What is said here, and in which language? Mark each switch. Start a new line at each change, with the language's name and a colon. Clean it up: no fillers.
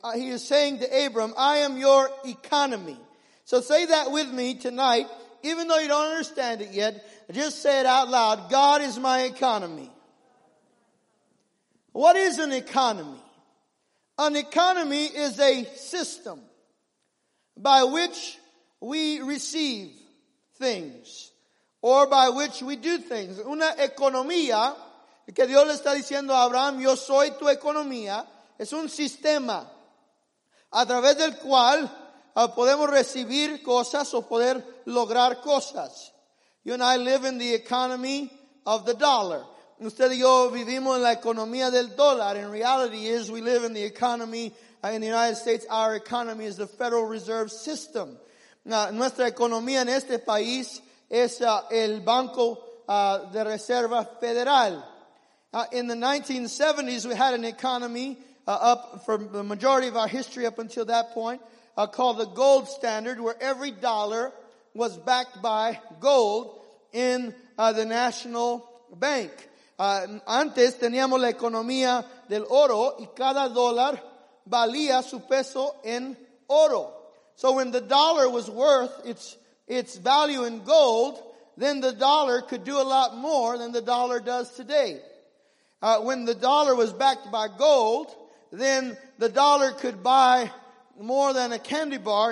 English: He is saying to Abram, I am your economy. So say that with me tonight, even though you don't understand it yet, just say it out loud. God is my economy. What is an economy? An economy is a system by which we receive things or by which we do things.
Spanish: Una economía, que Dios le está diciendo a Abraham, yo soy tu economía, es un sistema a través del cual podemos recibir cosas o poder lograr cosas.
English: You and I live in the economy of the dollar.
Spanish: Usted y yo vivimos en la economía del dólar.
English: In reality is we live in the economy in the United States. Our economy is the Federal Reserve System.
Spanish: Nuestra economía en este país es el Banco de Reserva Federal.
English: In the 1970s, we had an economy up for the majority of our history up until that point called the gold standard, where every dollar was backed by gold in the national bank.
Spanish: Antes teníamos la economía del oro y cada dólar valía su peso en oro.
English: So when the dollar was worth its value in gold, then the dollar could do a lot more than the dollar does today. When the dollar was backed by gold, then the dollar could buy more than a candy bar.